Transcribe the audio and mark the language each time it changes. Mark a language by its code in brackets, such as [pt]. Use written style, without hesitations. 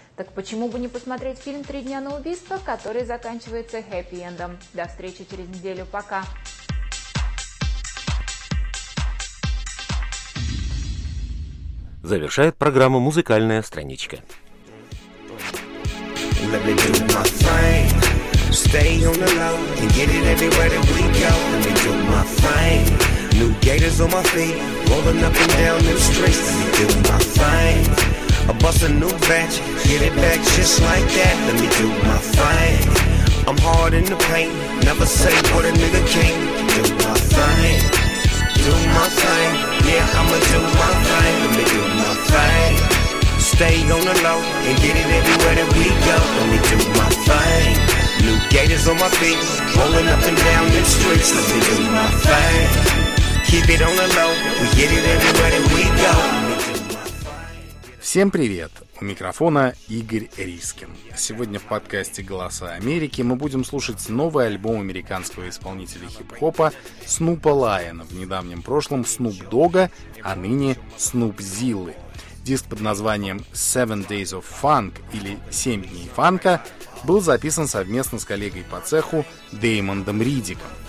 [ru] Так почему бы не посмотреть фильм «Три дня на убийство», который заканчивается хэппи-эндом? До встречи через неделю. Пока! Завершает программу «Музыкальная страничка». [en] Let me do my thing, stay on the low and get it everywhere that we go. Let me do my thing, New gaiters on my feet, rolling up and down them streets, do my thing. I bust a new batch, get it back just like that. Let me do my thing. I'm hard in the paint, never say what a nigga can't. Do my thing, do my thing. Yeah, I'ma do my thing, let me do my thing. Stay on the low and get it everywhere that we go. Let me do my thing. New gaiters on my feet, rolling up and down the streets. Let me do my thing. Keep it on the low, we get it everywhere that we go. [ru] Всем привет! У микрофона Игорь Рискин. Сегодня в подкасте «Голоса Америки» мы будем слушать новый альбом американского исполнителя хип-хопа Снупа Лайона, в недавнем прошлом Снуп Дога, а ныне Снуп Зиллы. Диск под названием «Seven Days of Funk» или «Семь дней фанка» был записан совместно с коллегой по цеху Деймондом Ридиком.